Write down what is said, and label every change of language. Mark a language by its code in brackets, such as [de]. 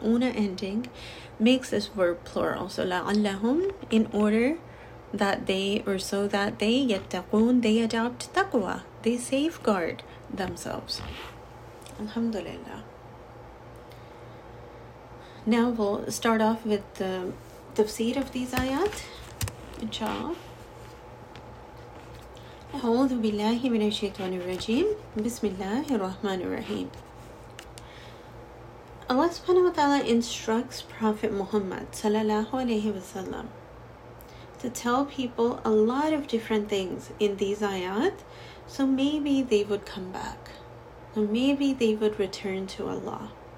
[en] Una ending makes this verb plural. So la'allahum, in order that they, or so that they, yattaqoon, they adopt taqwa. They safeguard themselves. Alhamdulillah. Now we'll start off with the tafsir of these ayat. Inshallah. [ar] أعوذ بالله من الشيطان الرجيم بسم الله الرحمن الرحيم. [en] Allah subhanahu wa ta'ala instructs Prophet Muhammad sallallahu alayhi wa sallam to tell people a lot of different things in these ayat, so maybe they would come back, or maybe they would return to Allah.